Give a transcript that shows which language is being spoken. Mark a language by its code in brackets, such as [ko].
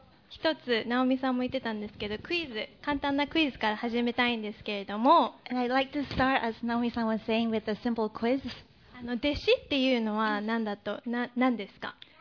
[ja] 一つ、ナオミさんも言ってたんですけど、クイズ、簡単なクイズから始めたいんですけれども、 [en] And I'd like to start, as Naomi さんは saying, with a simple quiz. [ja] 弟子っていうのは何だと、何ですか?